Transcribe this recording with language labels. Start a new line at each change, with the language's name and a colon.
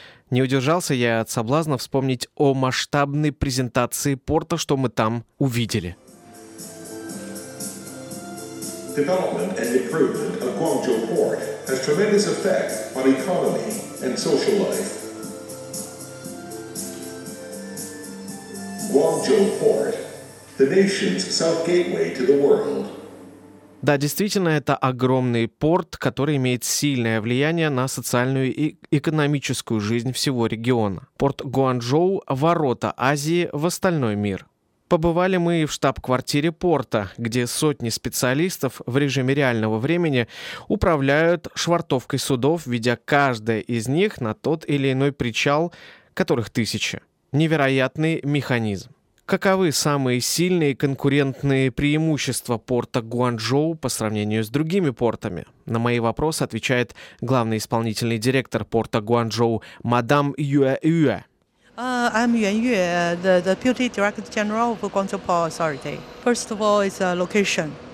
Russian: Не удержался я от соблазна вспомнить о масштабной презентации порта, что мы там увидели.
English: Development and improvement of Guangzhou Port has tremendous effect on economy and social life. Guangzhou Port, the nation's south gateway to the world.
Russian: Да, действительно, это огромный порт, который имеет сильное влияние на социальную и экономическую жизнь всего региона. Порт Гуанчжоу – ворота Азии в остальной мир. Побывали мы и в штаб-квартире порта, где сотни специалистов в режиме реального времени управляют швартовкой судов, ведя каждое из них на тот или иной причал, которых тысячи. Невероятный механизм. Каковы самые сильные конкурентные преимущества порта Гуанчжоу по сравнению с другими портами? На мои вопросы отвечает главный исполнительный директор порта Гуанчжоу мадам Юэ Юэ.
English: I'm Yuan Yue, the Deputy Director General of Guangzhou Port Authority. First of all, it's a location.